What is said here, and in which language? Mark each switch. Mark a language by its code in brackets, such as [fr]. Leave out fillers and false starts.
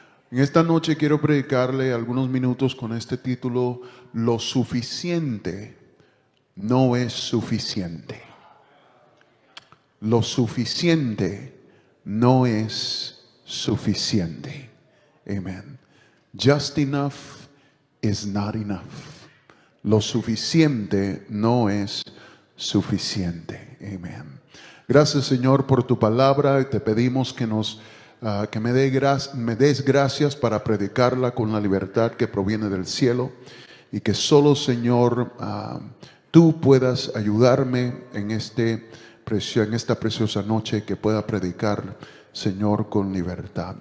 [es] En esta noche quiero predicarle algunos minutos con este título: lo suficiente no es suficiente. Lo suficiente no es suficiente. Amén. [en] Just enough is not enough. [es] Lo suficiente no es suficiente. Amén. Gracias, Señor, por tu palabra. Te pedimos que me des gracias para predicarla con la libertad que proviene del cielo, y que solo, Señor, tú puedas ayudarme en esta preciosa noche, que pueda predicar, Señor, con libertad.